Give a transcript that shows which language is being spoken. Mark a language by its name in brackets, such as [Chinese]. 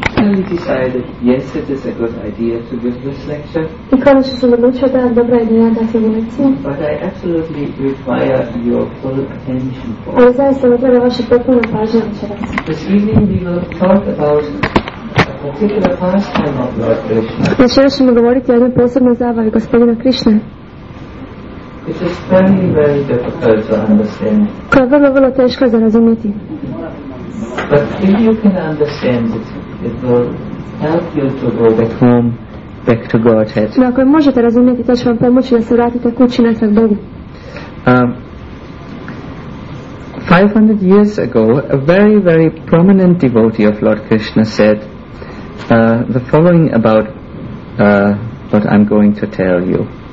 [English] I decided, yes, it is a good idea to give this lecture. [Croatian] I konačno sam odlučio da je dobra ideja dati ovu lekciju. [English] But I absolutely require your full attention for it. [Croatian] Ali zaista odlučio vašu potpunu pažnju večeras. [English] This evening we will talk about a particular pastime of Lord Krishna. [Croatian] Večeras ćemo govoriti o jednoj posebnoj zabavi gospodina Krishna. [English] It is very, very difficult to understand. [Croatian] Koja je vrlo, vrlo teška za razumjeti. [English] But if you can understand it, it will help you to go back home, back to Godhead. [Croatian] No, ako možete razumjeti, to će vam pomoći da se vratite kući natrag Bogu. [English] 500 years ago, a very, very prominent devotee of Lord Krishna said the following about what I'm going to tell you.